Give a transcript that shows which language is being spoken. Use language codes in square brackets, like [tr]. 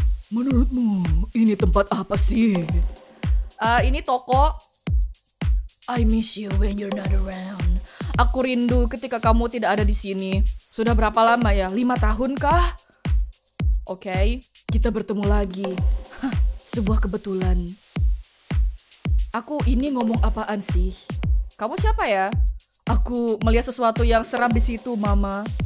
[id] Menurutmu ini tempat apa sih? Ini toko. [en] I miss you when you're not around. [id] Aku rindu ketika kamu tidak ada di sini. Sudah berapa lama ya? 5 tahun kah? Oke, okay. Kita bertemu lagi. Sebuah kebetulan. Aku ini ngomong apaan sih? Kamu siapa ya? Aku melihat sesuatu yang seram di situ, Mama.